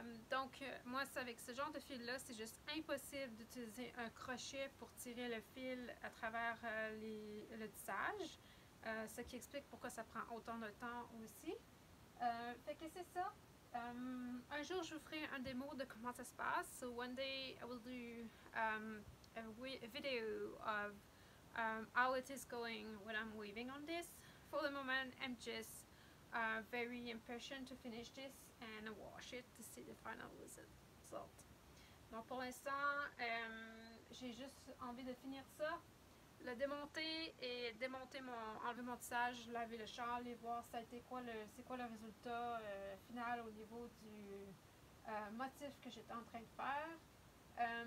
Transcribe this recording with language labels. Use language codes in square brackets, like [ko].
[fr] Donc moi avec ce genre de fil là, c'est juste impossible d'utiliser un crochet pour tirer le fil à travers le tissage, ce qui explique pourquoi ça prend autant de temps aussi. Fait que c'est ça. Un jour, je vous ferai un démo de comment ça se passe. [en] So one day, I will do a video of how it is going when I'm weaving on this. For the moment, I'm just very impatient to finish this and wash it to see the final result. [fr] Donc pour l'instant, j'ai juste envie de finir ça, le démonter et démonter mon, enlever mon tissage, laver le châle et voir ça a été quoi le, c'est quoi le résultat final au niveau du motif que j'étais en train de faire.